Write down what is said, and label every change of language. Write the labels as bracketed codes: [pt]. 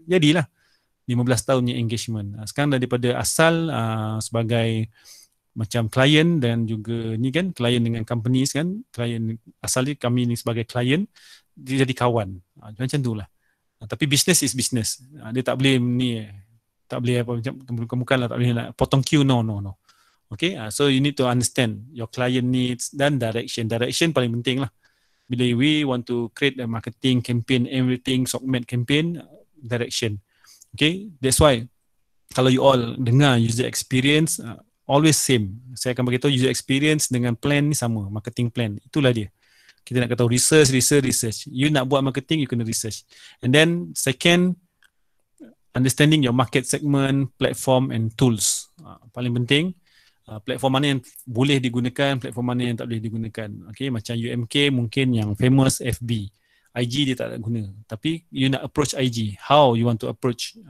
[ms] Jadilah 15 tahunnya engagement. Sekarang dah daripada asal sebagai macam client dan juga ni kan, client dengan companies kan, client asal ni kami ni sebagai client, dia jadi kawan. Macam tu lah. [en] Tapi business is business. [ms] Dia tak boleh ni, tak boleh apa macam kemukan lah, tak boleh nak potong queue, no. [en] Okay, so you need to understand your client needs dan direction. Direction [ms] paling penting lah. [en] Bila we want to create a marketing campaign, everything, SOCMED campaign, direction. Okay, that's why kalau you all dengar user experience, always same. [ms] Saya akan beritahu user experience dengan plan ni sama, marketing plan. Itulah dia. Kita nak kata research. You nak buat marketing, you kena research. [en] And then second, understanding your market segment, platform and tools. [ms] Paling penting, platform mana yang boleh digunakan, platform mana yang tak boleh digunakan. Okay, macam UMK mungkin yang famous FB. IG dia tak guna. [en] Tapi you nak approach IG, how you want to approach.